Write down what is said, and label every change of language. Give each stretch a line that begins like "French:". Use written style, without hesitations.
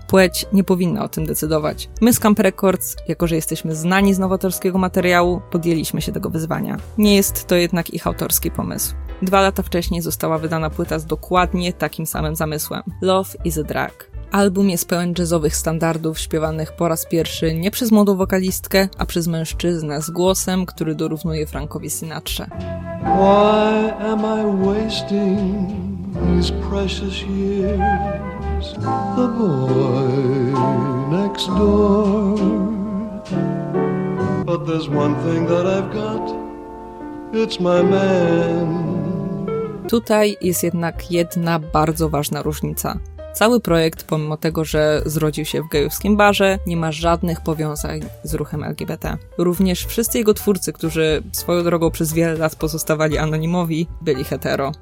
Polish: Płeć nie powinna o tym decydować. My z Camp Records, jako że jesteśmy znani z nowatorskiego materiału, podjęliśmy się tego wyzwania. Nie jest to jednak ich autorski pomysł. Dwa lata wcześniej została wydana płyta z dokładnie takim samym zamysłem. Love is a Drug. Album jest pełen jazzowych standardów śpiewanych po raz pierwszy nie przez młodą wokalistkę, a przez mężczyznę z głosem, który dorównuje Frankowi Sinatrze.
English: Why am I wasting these precious years? The boy next door. But there's one thing that I've got. It's my man.
Polish: Tutaj jest jednak jedna bardzo ważna różnica. Cały projekt, pomimo tego, że zrodził się w gejowskim barze, nie ma żadnych powiązań z ruchem LGBT. Również wszyscy jego twórcy, którzy swoją drogą przez wiele lat pozostawali anonimowi, byli hetero.